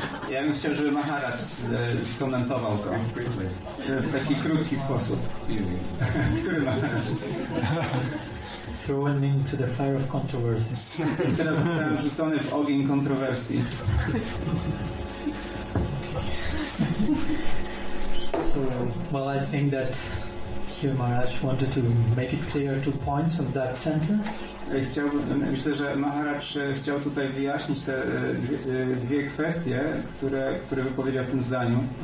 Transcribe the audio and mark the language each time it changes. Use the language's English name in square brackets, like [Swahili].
[Polish] Ja bym chciał, żeby Maharaj skomentował to w taki krótki sposób. Który Maharaj? [English] Thrown into the fire of controversy. [Polish] Teraz zostałem rzucony w ogień kontrowersji. [English] So, well, I think that here Maharaj wanted to make it clear two points of that sentence. [Polish] Myślę, że Maharaj chciał tutaj wyjaśnić te dwie kwestie, które wypowiedział w tym zdaniu.